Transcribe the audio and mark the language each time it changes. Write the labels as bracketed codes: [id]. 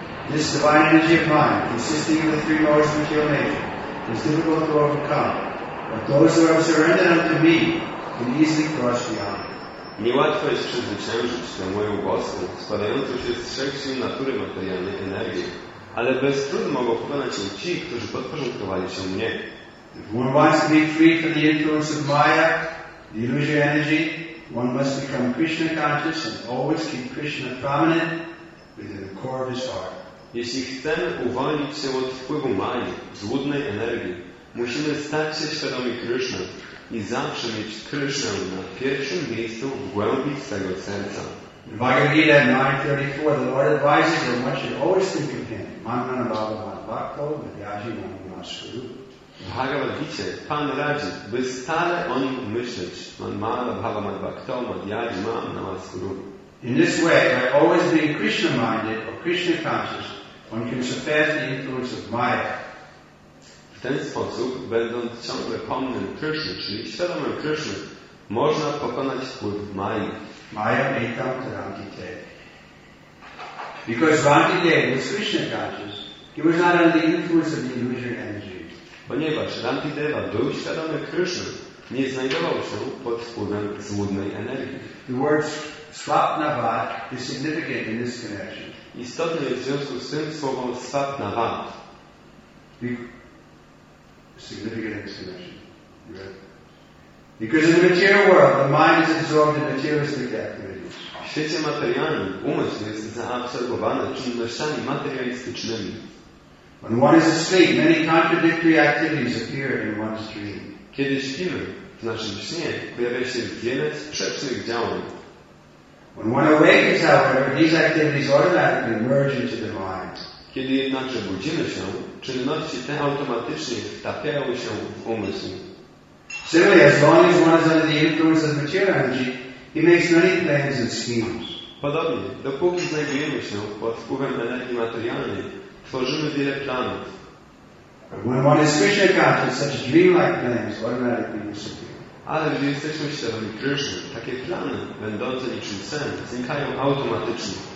[en] This divine energy of mind, consisting of the three modes of material nature, is difficult to overcome. But those who have surrendered unto me can easily cross beyond. [pl] Niełatwo jest przezwyciężyć tę moją boską, składającą się z trzech sił natury materialnej energii, ale bez trudu mogą pokonać ją ci, którzy podporządkowali się mnie. [en] If one wants to be free from the influence of Maya, the illusory energy, one must become Krishna conscious and always keep Krishna prominent within the core of his heart. [pl] Jeśli chcemy uwolnić się od wpływu Maji, złudnej energii, musimy stać się świadomi Krishna i zawsze mieć Krishna na pierwszym miejscu w głębi swego serca. [en] In Bhagavad Gita 9:34, the Lord advises that one should always think of him. [sa] Manana Bhagavan Bhakto Vidyaji Manimashkuru. [pl] W Bhagavad Gita Pan radzi, by stale o nim myśleć. [sa] Man mala bhava mad bhakto mad yaji mam namaskuru. [en] In this way, by always being Krishna-minded or Krishna-conscious, one can surpass the influence of Maya. [pl] W ten sposób, będąc ciągle pomnym Krishna, czyli świadomym Krishna, można pokonać wpływ Maya. [sa] Maya etam tarantite. [en] Because Ramadev was Krishna-conscious, he was not under the influence of the illusory energy. [pl] Ponieważ Ramadeva był świadomy Krishna, nie znajdował się pod wpływem złudnej energii. [en] The words svapnava is significant in this connection. [pl] Istotne jest w związku z tym słowem svapnava. [en] Significant in this connection. Right. Because in the material world, the mind is absorbed in materialistic activities. [pl] W świecie materialnym umysł jest zaabsorbowany czynnościami materialistycznymi. [en] When one is asleep, many contradictory activities appear in one's dream. [pl] Kiedy śpimy, w naszym śnie pojawia się wiele sprzecznych działań. [en] When one awakens, however, these activities automatically merge into the mind. [pl] Kiedy jednakże budzimy się, czynności te automatycznie wtapiają się w umysł. [en] Similarly, as long as one is under the influence of material energy, he makes many plans and schemes. [pl] Podobnie, dopóki znajdujemy się pod wpływem energii materialnej, tworzymy wiele planów. [en] When one is Krishna conscious, such dreamlike plans automatically disappear. [pl] Ale gdy jesteśmy świadomi Krishna, takie plany, będące niczym sen, znikają automatycznie.